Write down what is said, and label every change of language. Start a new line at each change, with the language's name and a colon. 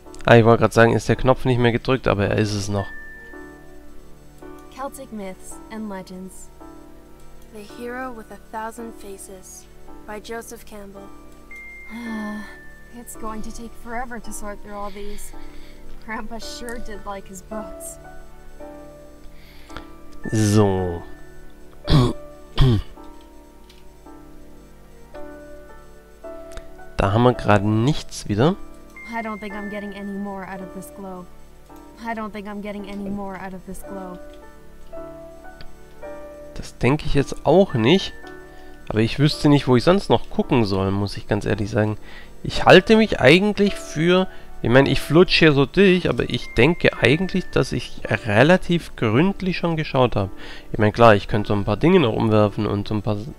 German: Ich wollte gerade sagen, ist der Knopf nicht mehr gedrückt, aber er ist es noch.
English: Celtic myths and legends. The hero with a thousand faces by Joseph Campbell. It's going to take forever to sort through all these. Grandpa sure did like his books.
German: So. Da haben wir gerade nichts wieder.
English: I don't think I'm getting any more out of this glow. I don't think I'm getting any more out of this glow.
German: Das denke ich jetzt auch nicht. Aber ich wüsste nicht, wo ich sonst noch gucken soll, muss ich ganz ehrlich sagen. Ich halte mich eigentlich für... Ich meine, ich flutsche hier so durch, aber ich denke eigentlich, dass ich relativ gründlich schon geschaut habe. Ich meine, klar, ich könnte so ein paar Dinge noch umwerfen und so ein paar...